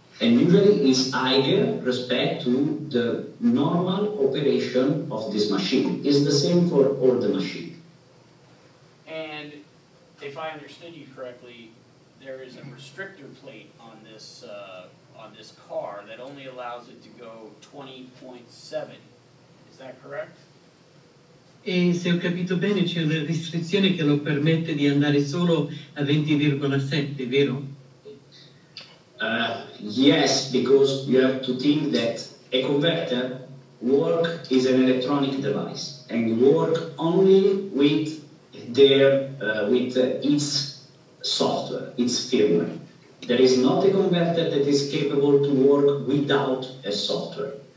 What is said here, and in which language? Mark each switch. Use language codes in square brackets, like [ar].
[en] And usually is higher respect to the normal operation of this machine. It's the same for all the machines. And if I understood you correctly, there is a restrictor plate on this car that only allows it to go 20.7. Is that correct? [it] E se ho capito bene, c'è una restrizione che lo permette di andare solo a 20,7, vero? [en] Yes, because you have to think that a converter work is an electronic device and work only with their with its software, its firmware. There is not a converter that is capable to work without a software.